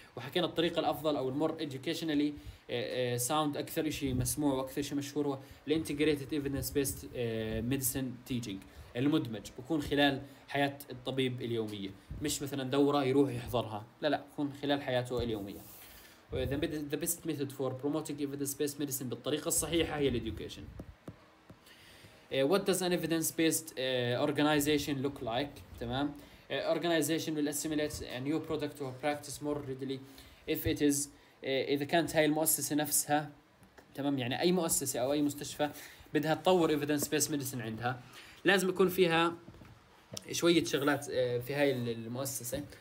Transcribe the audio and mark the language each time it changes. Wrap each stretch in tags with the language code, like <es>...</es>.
<ar>وحكينا الطريقة الأفضل أو المور educationally ساوند أكثر شيء مسموع وأكثر شيء مشهور هو الـ integrated evidence based medicine teaching المدمج، بكون خلال حياة الطبيب اليومية، مش مثلا دورة يروح يحضرها، لا لا، بكون خلال حياته اليومية.</ar> <en>The best method for promoting evidence based medicine</en> <ar>بالطريقة الصحيحة هي الـ</ar> <en>education. What does an evidence-based organization look like?</en> <ar>تمام.</ar> <en>Organization will assimilate a new product or practice more readily if it is</en> <ar>إذا كانت هاي المؤسسة نفسها، تمام، يعني أي مؤسسة أو أي مستشفى بدها تطور evidence-based medicine عندها لازم يكون فيها شوية شغلات في هاي المؤسسة.</ar>